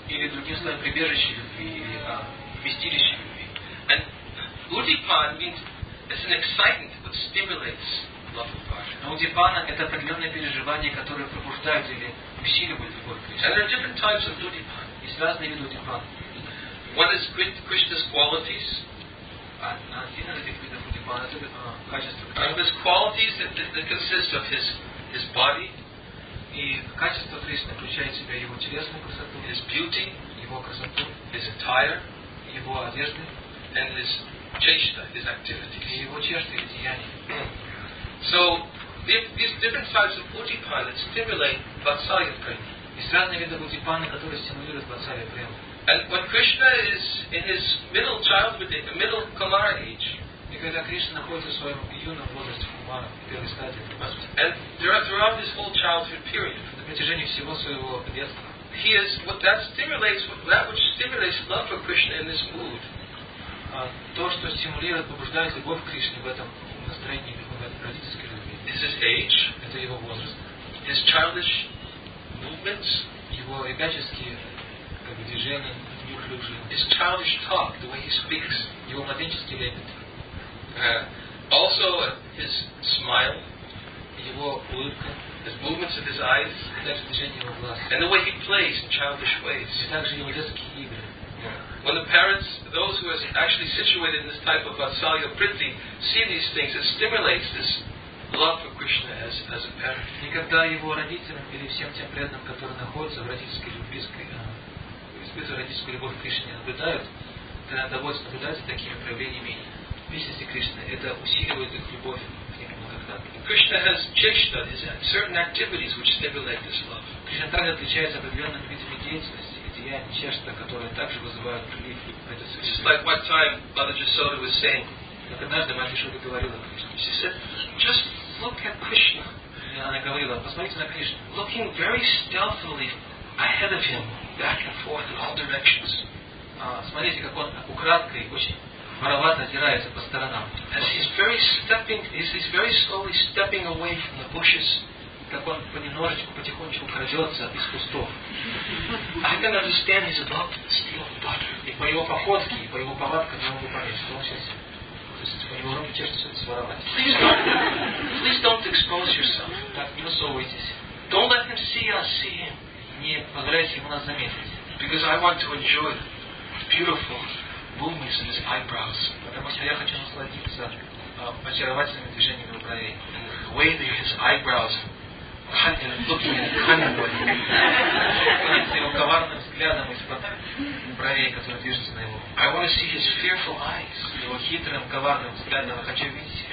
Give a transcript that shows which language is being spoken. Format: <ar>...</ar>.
<en>and Udipan means it's an excitant which stimulates</en> <ru>Но у дипана это определенные переживания, которые пробуждают или усиливают любовь к Кришне.</ru> <en>And there are different types of dudipa.</en> <ru>Есть разные виды дипана.</ru> <en>One is Krishna's qualities.</en> <ru>Один из этих видов дипана это качество.</ru> <en>And his qualities that consist of his body.</en> <ru>И качество Кришны включает в себя его телесную красоту.</ru> <en>His beauty.</en> <ru>Его красоту.</ru> <en>His attire.</en> <ru>Его одежды.</ru> <en>And his chesta, his activities.</en> <ru>Его чешта и деяния.</ru> <en>So these different types of udipana stimulate vatsalya prema.</en> <ru>Есть разные виды удипаны, которые стимулируют vatsalya prema.</ru> <en>And when Krishna is in his middle childhood, in the middle Kumara age,</en> <ru>и когда Кришна находится в своем юном возрасте Кумара, первой стадии,</ru> <en>and throughout his whole childhood period,</en> <ru>на протяжении всего своего детства,</ru> <en>he is what that stimulates, that which stimulates love for Krishna in this mood.</en> <ru>То, что стимулирует, побуждает любовь к Кришне в этом настроении.</ru> <en>Is his age,</en> <ru>это его возраст.</ru> <en>His childish movements,</en> <ru>его ребяческие как бы движения, неуклюжие.</ru> <en>His childish talk, the way he speaks,</en> <ru>его младенческий лепет.</ru> <en>Also his smile,</en> <ru>его улыбка.</ru> <en>His movements of his eyes,</en> <ru>также движения его глаз.</ru> <en>And the way he plays in childish ways,</en> <ru>и также его детские игры.</ru> <en>When the parents, those who are actually situated in this type of vatsalya priti, see these things, it stimulates this love for Krishna as a parent.</en> <ru>И когда его родителям или всем тем преданным, которые находятся в родительской любви, испытывают родительскую любовь к Кришне, наблюдают, когда довольство наблюдается такими проявлениями личности Кришны, это усиливает их любовь к нему благодарно.</ru> <en>Krishna has chesta, certain activities which stimulate this love.</en> <ru>Кришна также отличается определенными видами деятельности. Деяния чешта, которые также вызывают прилив этой связи.</ru> <en>Just like one time Mother Jasoda was saying.</en> <ru>Как однажды Мать Ясода говорила о Кришне.</ru> <en>She said, just look at Krishna.</en> <ru>И она говорила, посмотрите на Кришну.</ru> <en>Looking very stealthily ahead of him, back and forth in all directions.</en> <ru>Смотрите, как он украдкой, очень воровато озирается по сторонам.</ru> <en>As he's very slowly stepping away from the bushes.</en> <ru>Как он понемножечку, потихонечку крадется из кустов.</ru> <en>I can understand he's about to steal butter.</en> <ru>И по его походке, и по его повадкам я могу понять, что он сейчас, то есть по его руке чешется что-то своровать.</ru> <en>Please don't expose yourself.</en> <ru>Так, не высовывайтесь.</ru> <en>Don't let him see us, see him.</en> <ru>Не позволяйте ему нас заметить.</ru> <en>Because I want to enjoy beautiful movements in his eyebrows.</en> <ru>Потому что я хочу насладиться очаровательными движениями его бровей.</ru> <en>And the way that his eyebrows I want to see his fearful eyes.</en> <ru>Его хитрым, коварным взглядом я хочу видеть.</ru>